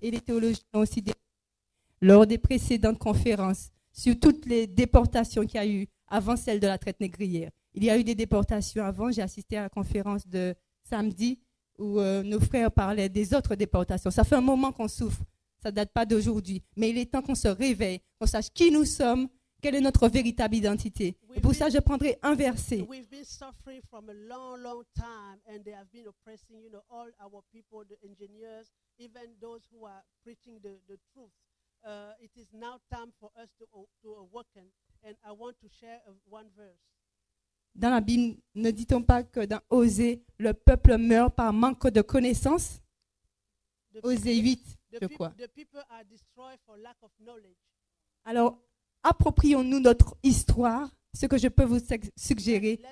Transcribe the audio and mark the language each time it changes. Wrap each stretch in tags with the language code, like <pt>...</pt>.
<fr>Et les théologiens ont aussi lors des précédentes conférences sur toutes les déportations qu'il y a eu avant celle de la traite négrière. Il y a eu des déportations avant. J'ai assisté à la conférence de samedi où nos frères parlaient des autres déportations. Ça fait un moment qu'on souffre. Ça ne date pas d'aujourd'hui. Mais il est temps qu'on se réveille, qu'on sache qui nous sommes, quelle est notre véritable identité. Et pour ça, je prendrai un verset.</fr> <en>We've been suffering from a long, long time, and they have been oppressing, you know, all our people, the engineers, even those who are preaching the truth. It is now time for us to awaken, and I want to share one verse.</en> <fr>Dans la Bible, ne dit-on pas que dans Osée, le peuple meurt par manque de connaissance? Osée 8, je crois.</fr> <en>The people are destroyed for lack of knowledge.</en> <fr>Alors, approprions-nous notre histoire, ce que je peux vous suggérer.</fr>